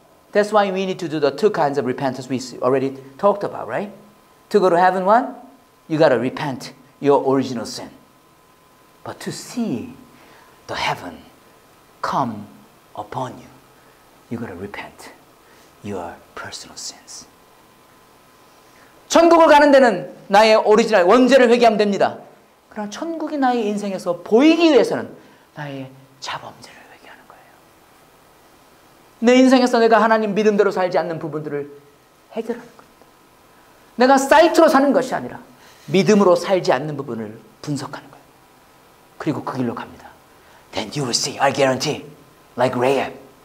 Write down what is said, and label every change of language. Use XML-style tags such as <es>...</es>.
<en>That's why we need to do the two kinds of repentance we already talked about, right? To go to heaven, one, you got to repent your original sin. But to see the heaven come upon you, you got to repent your personal sins.</en> <ko>천국을 가는 데는 나의 오리지널 원죄를 회개하면 됩니다. 그러나 천국이 나의 인생에서 보이기 위해서는 나의 자범죄를 회개하는 거예요. 내 인생에서 내가 하나님 믿음대로 살지 않는 부분들을 해결하는 겁니다. 내가 사이트로 사는 것이 아니라 믿음으로 살지 않는 부분을 분석하는 거예요. 그리고 그 길로 갑니다.</ko> <en>Then you will see, I guarantee, like Rahab.</en>